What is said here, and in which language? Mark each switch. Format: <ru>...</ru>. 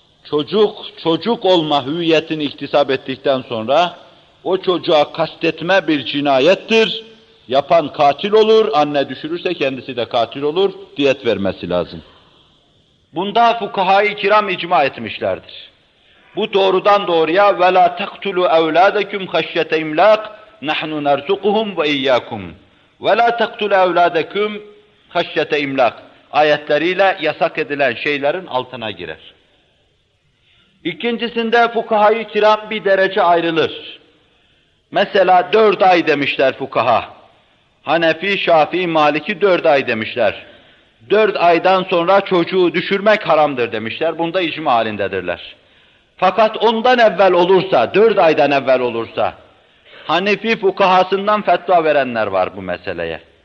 <tr>Çocuk, çocuk olma hüviyetini iktisap ettikten sonra o çocuğa kastetme bir cinayettir. Yapan katil olur, anne düşürürse kendisi de katil olur, diyet vermesi lazım. Bunda fukahayı kiram icma etmişlerdir. Bu doğrudan doğruya</tr> <ar>وَلَا تَقْتُلُوا اَوْلَادَكُمْ خَشْيَةَ اِمْلَاقِ نَحْنُ نَرْزُقُهُمْ وَاِيَّاكُمْ وَلَا تَقْتُلُوا اَوْلَادَكُمْ خَشْيَةَ اِمْلَاقِ</ar> <tr>ayetleriyle yasak edilen şeylerin altına girer. İkincisinde fukahayı kiram bir derece ayrılır. Mesela 4 ay demişler fukaha. Hanefi, Şafii, Maliki 4 ay demişler. 4 aydan sonra çocuğu düşürmek haramdır demişler. Bunda icma halindedirler. Fakat ondan evvel olursa, 4 aydan evvel olursa, Hanefi fukahasından fetva verenler var bu meseleye.</tr>